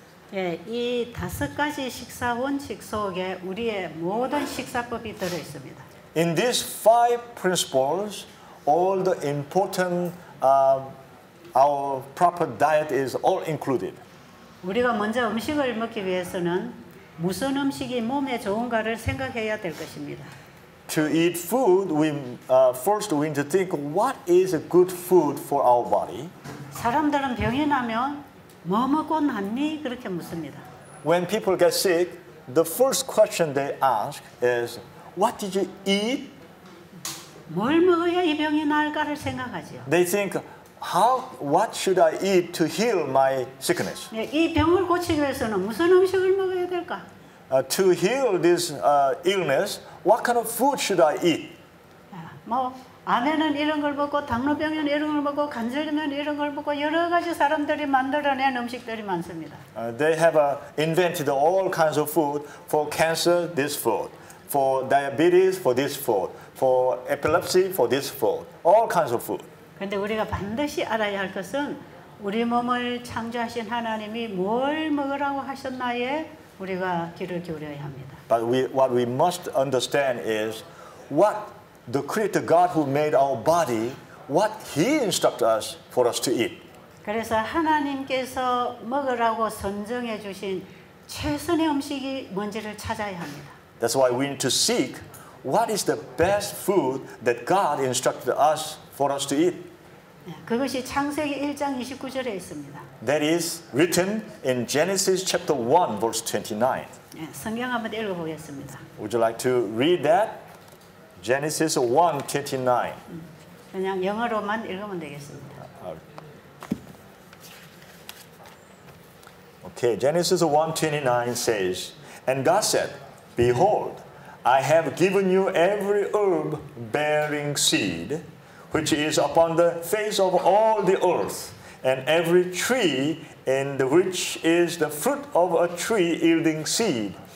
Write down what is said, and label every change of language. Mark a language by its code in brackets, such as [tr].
[ko] 예, 이 다섯 가지 식사 원칙 속에 우리의 모든 식사법이 들어 있습니다. [en] In these five principles, all the important our proper diet is all included. [ko] 우리가 먼저 음식을 먹기 위해서는 무슨 음식이 몸에 좋은가를 생각해야 될 것입니다. [en] To eat food, first we need to think what is a good food for our body. [ko] 사람들은 병이 나면 뭐 먹고 났니? 그렇게 묻습니다. [en] When people get sick, the first question they ask is, what did you eat? [ko] 뭘 먹어야 이 병이 나을까를 생각하지요. [en] They think, what should I eat to heal my sickness? [ko] 네, 이 병을 고치기 위해서는 무슨 음식을 먹어야 될까? [en] To heal this illness, what kind of food should I eat? [ko] 뭐 암에는 이런 걸 먹고 당뇨병에는 이런 걸 먹고 관절에는 이런 걸 먹고 여러 가지 사람들이 만들어낸 음식들이 많습니다. [en] They have invented all kinds of food for cancer, this food, for diabetes, for this food, for epilepsy, for this food, all kinds of food. [ko] 그런데 우리가 반드시 알아야 할 것은 우리 몸을 창조하신 하나님이 뭘 먹으라고 하셨나에 우리가 귀를 기울여야 합니다. [en] But what we must understand is what the creator God who made our body, what he instructs us for us to eat. [ko] 그래서 하나님께서 먹으라고 선정해 주신 최선의 음식이 뭔지를 찾아야 합니다. [en] That's why we need to seek what is the best food that God instructed us for us to eat. [ko] 그것이 창세기 1장 29절에 있습니다. [en] That is written in Genesis chapter 1 verse 29. [ko] 네, 성경 한번 읽어 보겠습니다. [en] Would you like to read that? Genesis 1:29. [ko] 그냥 영어로만 읽으면 되겠습니다. [en] Okay, Genesis 1:29 says, And God said, Behold, I have given you every herb bearing seed, which is upon the face of all the earth, and every tree in which is the fruit of a tree yielding seed.